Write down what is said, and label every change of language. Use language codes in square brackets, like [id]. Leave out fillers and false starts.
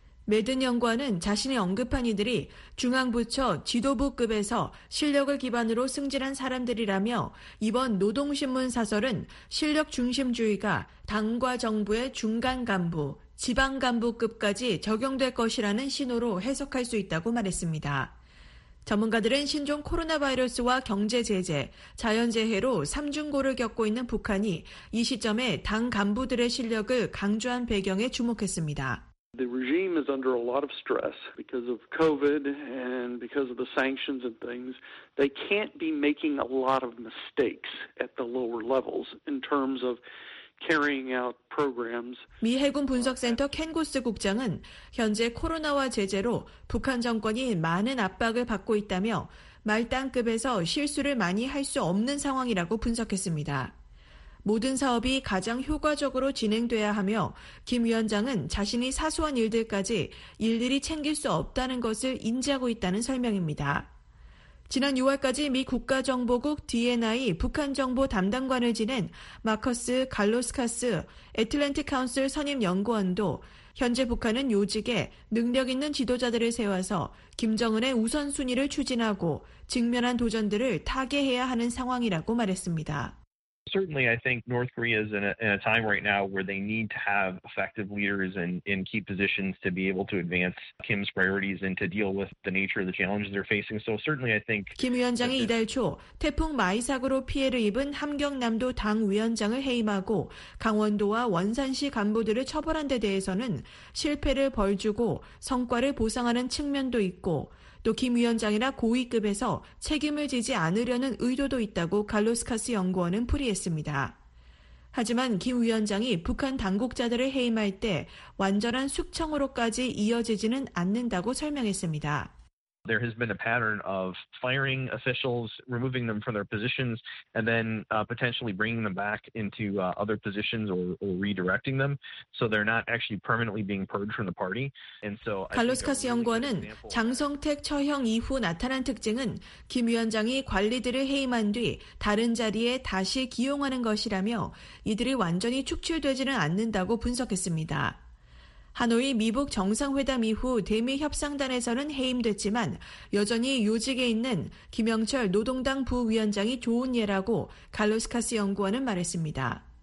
[ko] 매든 연구원은 자신이 언급한 이들이 중앙부처 지도부급에서 실력을 기반으로 승진한 사람들이라며 이번 노동신문 사설은 실력 중심주의가 당과 정부의 중간 간부, 지방 간부급까지 적용될 것이라는 신호로 해석할 수 있다고 말했습니다. 전문가들은 신종 코로나 바이러스와 경제 제재, 자연재해로 삼중고를 겪고 있는 북한이 이 시점에 당 간부들의 실력을 강조한 배경에 주목했습니다. [en] The regime is under a lot of stress because of COVID and because of the sanctions and things. They can't be making a lot of mistakes at the lower levels in terms of carrying out programs. [ko] 미 해군 분석센터 켄고스 국장은 현재 코로나와 제재로 북한 정권이 많은 압박을 받고 있다며 말단급에서 실수를 많이 할 수 없는 상황이라고 분석했습니다. 모든 사업이 가장 효과적으로 진행돼야 하며 김 위원장은 자신이 사소한 일들까지 일일이 챙길 수 없다는 것을 인지하고 있다는 설명입니다. 지난 6월까지 미 국가정보국 DNI 북한정보 담당관을 지낸 마커스 갈로스카스 애틀랜틱 카운슬 선임 연구원도 현재 북한은 요직에 능력 있는 지도자들을 세워서 김정은의 우선순위를 추진하고 직면한 도전들을 타개해야 하는 상황이라고 말했습니다. [en] Certainly, I think North Korea is in a time right now where they need to have effective leaders in key positions to be able to advance Kim's priorities and to deal with the nature of the challenges they're facing. So certainly, I think [ko] 김 위원장이 이달 초 태풍 마이 사고로 피해를 입은 함경남도 당 위원장을 해임하고 강원도와 원산시 간부들을 처벌한 데 대해서는 실패를 벌주고 성과를 보상하는 측면도 있고 또 김 위원장이나 고위급에서 책임을 지지 않으려는 의도도 있다고 갈로스카스 연구원은 풀이했습니다. 하지만 김 위원장이 북한 당국자들을 해임할 때 완전한 숙청으로까지 이어지지는 않는다고 설명했습니다. [en] There has been a pattern of firing officials, removing them from their positions, and then potentially bringing them back into other positions or redirecting them. So they're not actually permanently being purged from the party. And so [ko] 갈로스카스 연구원은 장성택 처형 이후 나타난 특징은 김 위원장이 관리들을 해임한 뒤 다른 자리에 다시 기용하는 것이라며 이들이 완전히 축출되지는 않는다고 분석했습니다. 하노이 미북 정상회담 이후 대미 협상단에서는 해임됐지만 여전히 요직에 있는 김영철 노동당 부위원장이 좋은 예라고 갈로스카스 연구원은 말했습니다.